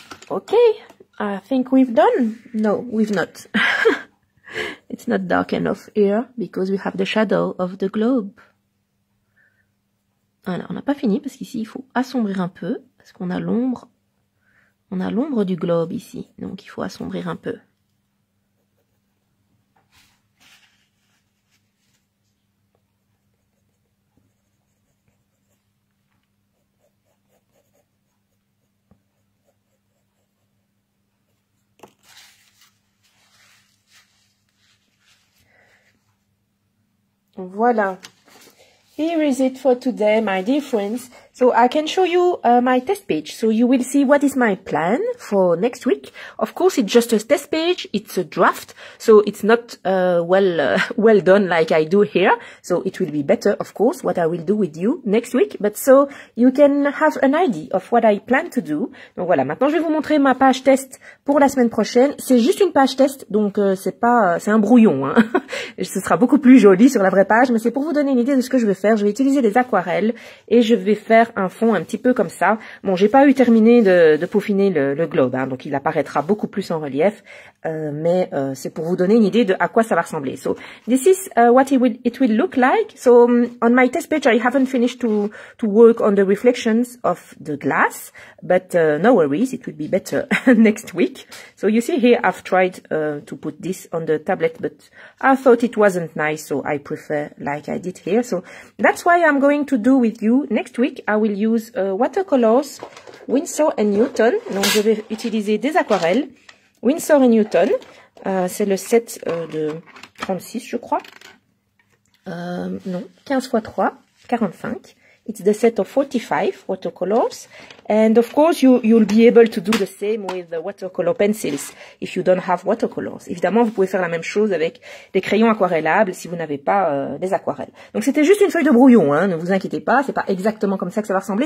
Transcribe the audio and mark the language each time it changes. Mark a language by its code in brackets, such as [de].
[en] Okay, I think we've done. No, we've not. It's not dark enough here because we have the shadow of the globe. [fr] Alors, on n'a pas fini parce qu'ici il faut assombrir un peu parce qu'on a l'ombre. On a l'ombre du globe ici, donc il faut assombrir un peu. [en] Voilà, here is it for today, my dear friends. So I can show you my test page. So you will see what is my plan for next week. Of course, it's just a test page. It's a draft. So it's not well done like I do here. So it will be better, of course, what I will do with you next week. But so you can have an idea of what I plan to do. [fr] Donc voilà, maintenant je vais vous montrer ma page test pour la semaine prochaine. C'est juste une page test, donc c'est un brouillon. Hein. Ce sera beaucoup plus joli sur la vraie page. Mais c'est pour vous donner une idée de ce que je vais faire. Je vais utiliser des aquarelles et je vais faire un fond un petit peu comme ça. Bon, j'ai pas eu terminé de peaufiner le globe, hein, donc il apparaîtra beaucoup plus en relief, mais c'est pour vous donner une idée de à quoi ça va ressembler. [en] So, this is what it will look like. So, on my test page, I haven't finished to work on the reflections of the glass, but no worries, it will be better next week. So, you see here, I've tried to put this on the tablet, but I thought it wasn't nice, so I prefer like I did here. So, that's why I'm going to do with you next week. I will use watercolors, Winsor & Newton. [fr] Donc je vais utiliser des aquarelles Winsor & Newton. C'est le set de 36, je crois. Non, 15 x 3, 45. [en] It's the set of 45 watercolors. And of course, you'll be able to do the same with the watercolor pencils if you don't have watercolors. [fr] Évidemment, vous pouvez faire la même chose avec des crayons aquarellables si vous n'avez pas des aquarelles. Donc, c'était juste une feuille de brouillon. Hein, ne vous inquiétez pas. C'est pas exactement comme ça que ça va ressembler.